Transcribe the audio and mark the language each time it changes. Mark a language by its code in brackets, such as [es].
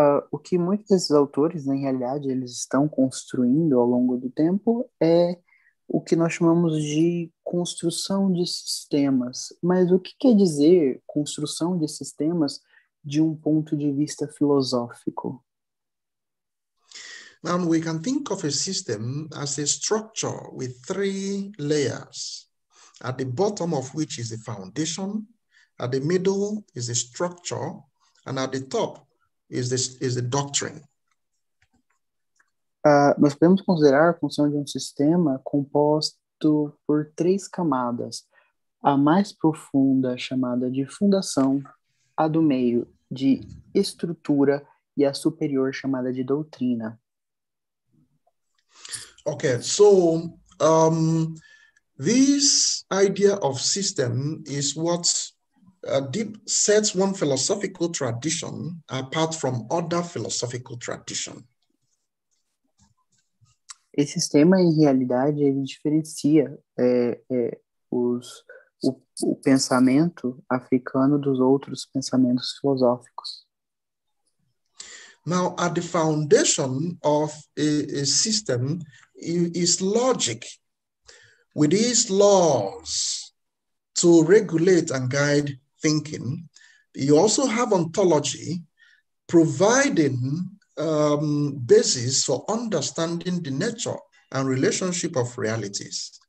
[pt] O que muitos desses autores, na realidade, eles estão construindo ao longo do tempo é o que nós chamamos de construção de sistemas. Mas o que quer dizer construção de sistemas de um ponto de vista filosófico? [en] Now we can think of a system as a structure with three layers. At the bottom of which is the foundation, at the middle is the structure, and at the top is the doctrine. [pt] Nós podemos considerar a construção de um sistema composto por três camadas. A mais profunda, chamada de fundação, a do meio, de estrutura, e a superior, chamada de doutrina. [en] Okay, so... this idea of system is what sets one philosophical tradition apart from other philosophical tradition. [pt] Esse sistema, em realidade, ele diferencia o pensamento africano dos outros pensamentos filosóficos. [en] Now, at the foundation of a system is logic, with these laws to regulate and guide thinking. You also have ontology, providing basis for understanding the nature and relationship of realities.